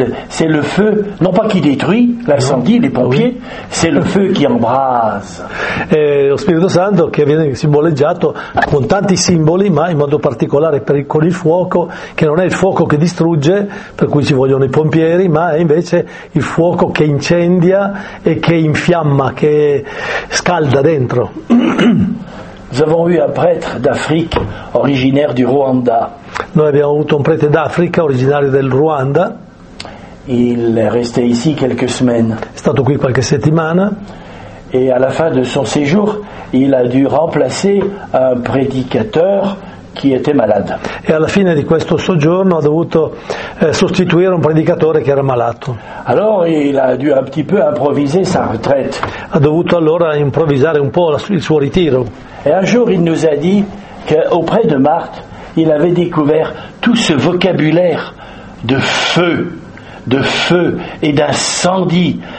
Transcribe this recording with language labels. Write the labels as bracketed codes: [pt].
[fr] C'est le feu, non pas qui détruit l'incendie, les pompiers, c'est le feu qui embrase. [it] Et lo Spirito Santo che viene simboleggiato con tanti simboli, ma in modo particolare con il fuoco, che non è il fuoco che distrugge, per cui ci vogliono i pompieri, ma è invece il fuoco che incendia e che infiamma, che scalda dentro. [fr] Nous avons eu un prêtre d'Afrique originaire du Rwanda. [it] Noi abbiamo avuto un prete d'Africa originario del Ruanda. [fr] Il est resté ici quelques semaines. [it] È stato qui qualche settimana. [fr] Et à la fin de son séjour, il a dû remplacer un prédicateur chi était malade. [it] E alla fine di questo soggiorno ha dovuto sostituire un predicatore che era malato. [fr] Alors il a dû un petit peu improviser sa retraite. [it] Ha dovuto allora improvvisare un po' il suo ritiro. [fr] Et un jour il nous a dit que auprès de Marthe, il avait découvert tout ce vocabulaire de feu et d'incendie.